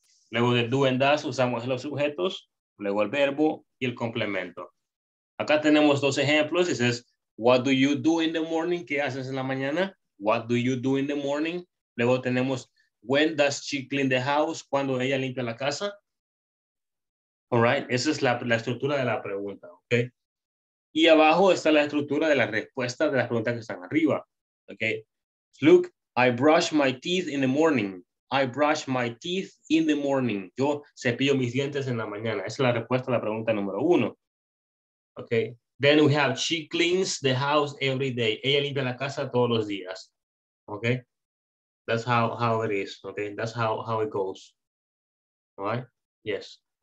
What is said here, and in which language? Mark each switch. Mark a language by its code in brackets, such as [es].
[es] Luego de do and does usamos los sujetos, luego el verbo y el complemento. Acá tenemos dos ejemplos. [en] It says, what do you do in the morning? [es] ¿Qué haces en la mañana? [en] What do you do in the morning? Luego tenemos, when does she clean the house? [es] ¿Cuándo ella limpia la casa? All right, esa es la estructura de la pregunta, ¿ok? Y abajo está la estructura de la respuesta de las preguntas que están arriba, ¿ok? [en] Look, I brush my teeth in the morning. I brush my teeth in the morning. [es] Yo cepillo mis dientes en la mañana. Esa es la respuesta a la pregunta número uno, ¿ok? [en] Then we have, she cleans the house every day. [es] Ella limpia la casa todos los días, ¿ok? [en] That's how it is, ¿ok? That's how it goes, all right? Yes.